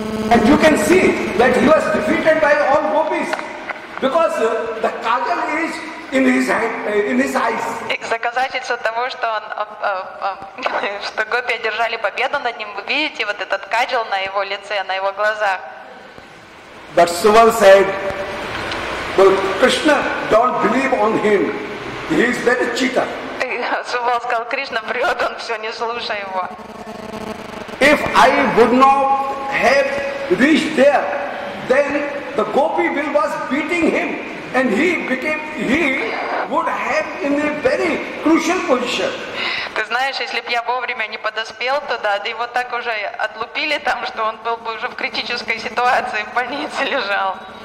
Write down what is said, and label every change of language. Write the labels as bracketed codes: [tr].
[en] And you can see that he was defeated by all gopis because the kajal is in his hand, in his eyes. [ru] Доказательство того, что он, что гопи одержали победу над ним, вы видите вот этот каджал на его лице, на его глазах. [en] But Shubhal said, well, Krishna, don't believe on him. He is very cheater. [ru] Шубал сказал: Кришна врет, он все, не слушай его. [en] If I would not have reached there, then the gopi was beating him, and he would have in a very crucial position. [ru] Ты знаешь, если бы я вовремя не подоспел туда, да его так уже отлупили там, что он был бы уже в критической ситуации, в больнице лежал.